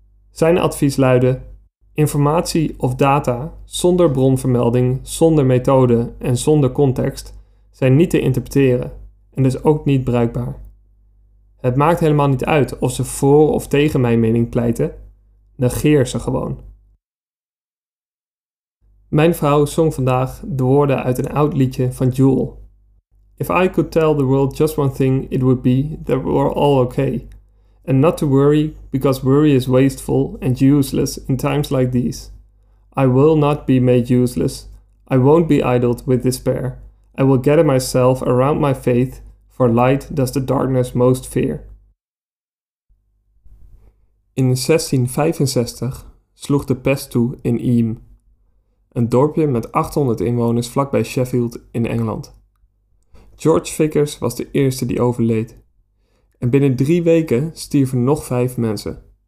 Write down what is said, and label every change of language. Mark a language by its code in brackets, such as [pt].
[nl] Zijn advies luidde: informatie of data zonder bronvermelding, zonder methode en zonder context zijn niet te interpreteren en dus ook niet bruikbaar. Het maakt helemaal niet uit of ze voor of tegen mijn mening pleiten, negeer ze gewoon. Mijn vrouw zong vandaag de woorden uit een oud liedje van Jewel. [en] If I could tell the world just one thing, it would be that we're all okay. And not to worry, because worry is wasteful and useless in times like these. I will not be made useless. I won't be idled with despair. I will gather myself around my faith, for light does the darkness most fear. [nl] In 1665 sloeg de pest toe in Eam, een dorpje met 800 inwoners vlakbij Sheffield in Engeland. George Vickers was de eerste die overleed. En binnen 3 weken stierven nog 5 mensen.